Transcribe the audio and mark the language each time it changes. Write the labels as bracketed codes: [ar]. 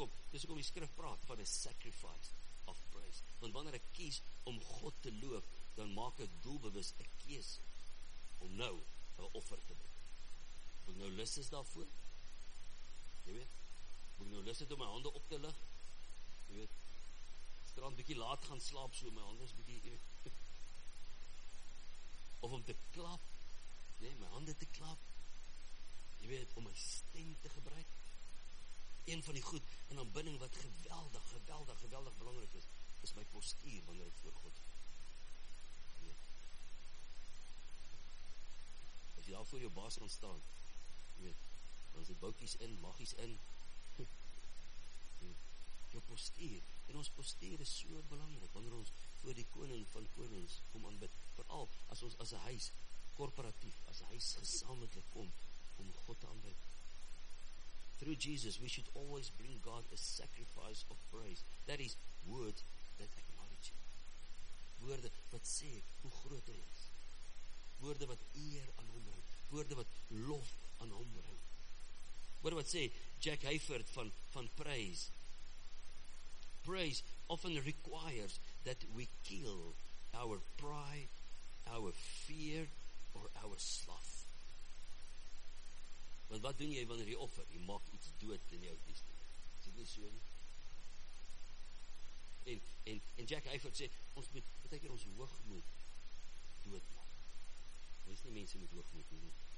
[af] Dis ook om die skrif praat van 'n [en] sacrifice of praise. [af] Want wanneer ek kies om God te loof, dan maak ek doelbewus 'n keuse om nou 'n offer te bring. Moet nou lus is daarvoor? Jy weet, moet nou lus het om my hande op te lig? Jy weet, strand bietjie laat gaan slaap so, my hande is bietjie, jy weet. Of om te klap, jy weet, my hande te klap, jy weet, om my stem te gebruik. Een van die goed in aanbidding wat geweldig, geweldig, geweldig belangrik is, is my postuur wanneer ek voor God. As jy daar voor jou baas kan staan, jy weet, dan is die boutjies in, maggies in, jou postuur, en ons postuur is so belangrik, wanneer ons voor die koning van konings kom aanbid, vooral as ons as 'n huis, korporatief, as 'n huis gesamentlik kom, om God te aanbid. [en] Through Jesus, we should always bring God a sacrifice of praise, that is words that acknowledge him. [af] Woorde wat sê, hoe groot hy is, woorde wat eer aan hom bring, woorde wat lof aan hom bring. Hoor wat sê Jack Hayford van praise. [en] Praise often requires that we kill our pride, our fear or our sloth. [af] Want wat doen jy wanneer jy offer? Jy maak iets dood in jou diens. Dit is so nie. En Jack Heifert sê, ons moet beteken ons hoogmoed doodmaak. Ons nie mense met hoogmoed nie.